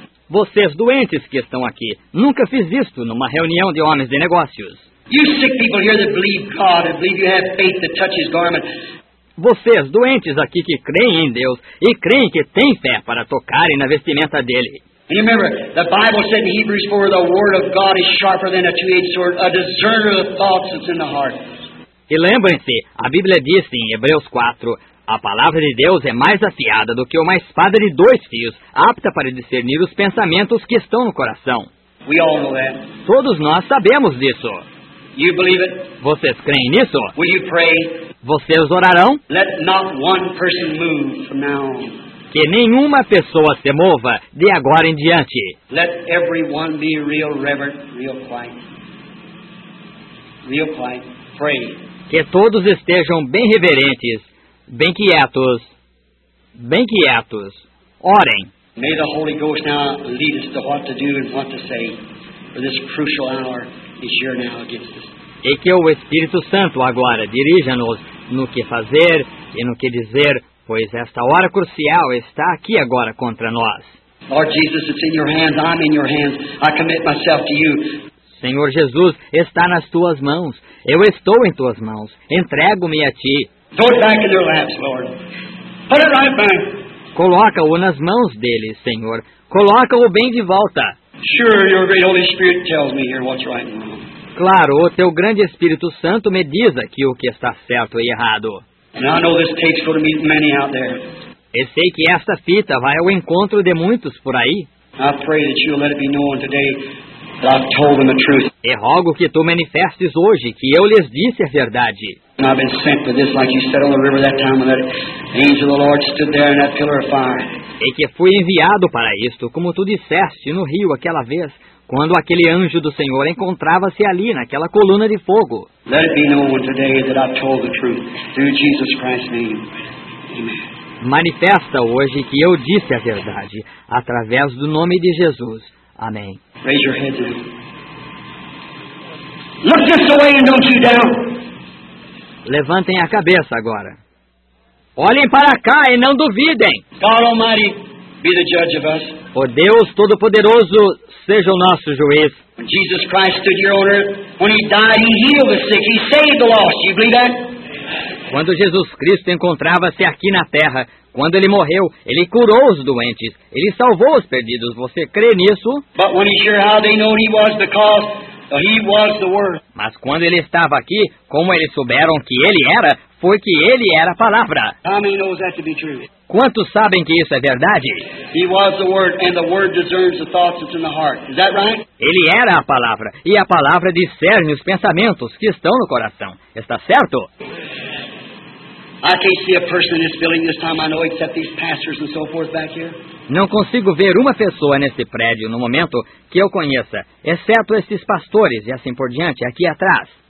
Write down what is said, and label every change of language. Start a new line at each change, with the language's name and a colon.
Portuguese: Vocês doentes que estão aqui, nunca fiz isto numa reunião de homens de negócios.
English: You sick people here that believe God and believe you have faith that touches garment.
Portuguese: vocês, doentes aqui que creem em Deus e creem que têm fé para tocarem na vestimenta dele.
English: You remember, the Bible said in Hebrews 4, the word of God is sharper than a two-edged sword, a discerner of thoughts that's in the heart.
Portuguese: E lembrem-se, a Bíblia diz em Hebreus 4, a palavra de Deus é mais afiada do que uma espada de dois fios, apta para discernir os pensamentos que estão no coração.
English: We all know that.
Portuguese: Todos nós sabemos disso.
English: You believe it?
Portuguese: Vocês creem nisso?
English: Will you pray?
Portuguese: Vocês orarão?
English: Let not one person move from now on.
Portuguese: Que nenhuma pessoa se mova de agora em diante.
English: Let everyone be real reverent, real quiet. Real quiet. Pray.
Portuguese: Que todos estejam bem reverentes, bem quietos, bem quietos. Orem.
English: May the Holy Ghost now lead us to what to do and what to say, for this crucial hour is here now against us.
Portuguese: E que o Espírito Santo agora dirija-nos no que fazer e no que dizer, pois esta hora crucial está aqui agora contra nós.
English: Lord Jesus, it's in your hands. I'm in your hands. I commit myself to you.
Portuguese: Senhor Jesus, está nas tuas mãos. Eu estou em tuas mãos. Entrego-me a ti.
English: Put it back in their laps, Lord. Put it right back.
Portuguese: Coloca-o nas mãos deles, Senhor. Coloca-o bem de volta.
English: Sure, your great Holy Spirit tells me here what's right and wrong.
Portuguese: Claro, o teu grande Espírito Santo me diz aqui o que está certo e errado.
English: And I know this tape's going to meet many out there.
Portuguese: E sei que esta fita vai ao encontro de muitos por aí.
English: I pray that you'll let it be known today. I've told them the truth.
Portuguese: E rogo que tu manifestes hoje que eu lhes disse a verdade.
English: I've been sent to this like you said on the river that time when the angel of the Lord stood there in that pillar of fire.
Portuguese: E que fui enviado para isto, como tu disseste no rio aquela vez, quando aquele anjo do Senhor encontrava-se ali naquela coluna de fogo.
English: Let it be known today that I've told the truth through Jesus Christ's name. Amen.
Portuguese: Manifesta hoje que eu disse a verdade através do nome de Jesus. Amém.
English: Raise your heads. Look this way and don't you down.
Portuguese: Levantem a cabeça agora. Olhem para cá e não duvidem.
English: God Almighty, be the judge of us.
Portuguese: O Deus Todo-Poderoso seja o nosso juiz.
English: When Jesus Christ stood here on earth, when he died, he healed the sick, he saved the lost. You believe that?
Portuguese: Quando Jesus Cristo encontrava-se aqui na terra, quando ele morreu, ele curou os doentes, ele salvou os perdidos. Você crê nisso?
English: But when he's here, how they know he was the cause? He was the word.
Portuguese: Mas quando ele estava aqui, como eles souberam que ele era, foi que ele era a palavra.
English: How many knows that to be true?
Portuguese: Quantos sabem que isso é verdade?
English: He was the word, and the word discerns the thoughts that's in the heart. Is that right?
Portuguese: Ele era a palavra, e a palavra discerne os pensamentos que estão no coração. Está certo?
English: I can't see a person in this building this time, I know, except these pastors and so forth back here.
Portuguese: Não consigo ver uma pessoa nesse prédio no momento que eu conheça, exceto esses pastores e assim por diante aqui atrás.